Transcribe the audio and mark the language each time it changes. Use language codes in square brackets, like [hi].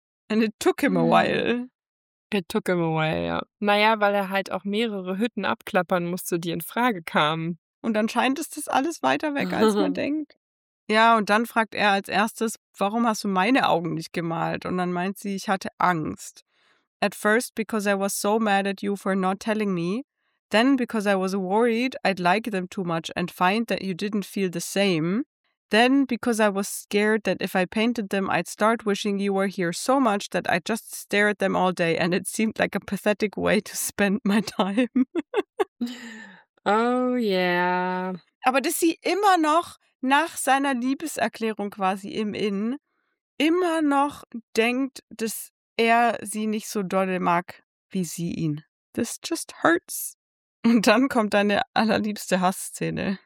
[en] And it took him a while. It took him a while, ja. [de] Naja, weil er halt auch mehrere Hütten abklappern musste, die in Frage kamen. Und anscheinend ist das alles weiter weg, als man denkt. Ja, und dann fragt er als erstes, warum hast du meine Augen nicht gemalt? Und dann meint sie, ich hatte Angst. [en] At first, because I was so mad at you for not telling me. Then, because I was worried, I'd like them too much and find that you didn't feel the same. Then, because I was scared that if I painted them, I'd start wishing you were here so much that I'd just stare at them all day, and it seemed like a pathetic way to spend my time. Oh, yeah. [de] Aber dass sie immer noch nach seiner Liebeserklärung quasi im Inn immer noch denkt, dass er sie nicht so dolle mag, wie sie ihn. [en] This just hurts. [de] Und dann kommt deine allerliebste Hassszene.